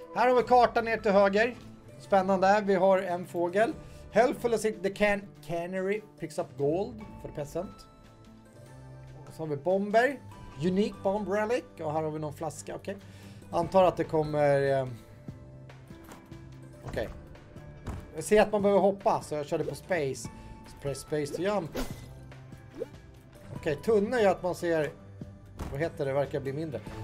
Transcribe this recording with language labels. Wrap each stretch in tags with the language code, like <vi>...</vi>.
<sv>Här har vi kartan ner till höger. Spännande, vi har en fågel.</sv> <en>Helpful as it, the canary picks up gold for the peasant.</en> <sv>Och så har vi bomber.</sv> <en>Unique bomb relic.</en> <sv>Och här har vi någon flaska, okej. Okay. Antar att det kommer... Okej. Okay. Jag ser att man behöver hoppa, så jag körde på space. Så</sv> <en>press space to jump.</en> <sv>Okej, okay, tunna gör att man ser... Vad heter det? Verkar bli mindre.</sv>